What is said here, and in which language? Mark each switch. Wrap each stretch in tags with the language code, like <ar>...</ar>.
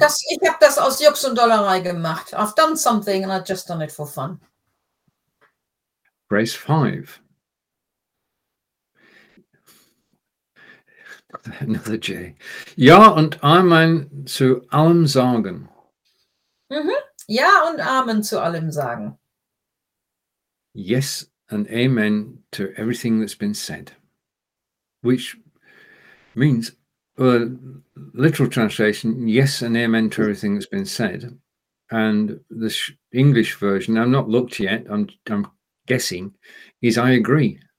<de>Ich habe das aus Jux und Dollerei gemacht.</de> <en>I've done something and I've just done it for fun. Phrase 5. Another J.</en> <de>Ja und Amen zu allem sagen. Mm-hmm. Ja und Amen zu allem sagen.</de> <en>Yes and Amen to everything that's been said. Which means... Well, literal translation, yes and amen to everything that's been said. And the English version, I've not looked yet, I'm guessing, is I agree.</en>